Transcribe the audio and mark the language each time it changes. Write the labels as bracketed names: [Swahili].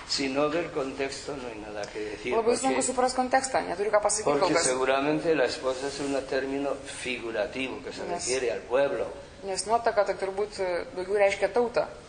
[Spanish] Si no ver contexto, no hay nada que decir. [Lithuanian] Labai sunku suprast kontekstą, neturiu ką pasakyti. [Spanish] Porque seguramente la esposa es un término figurativo que se refiere al pueblo. [Lithuanian] Nes nuotaka tai turbūt daugiau reiškia tautą.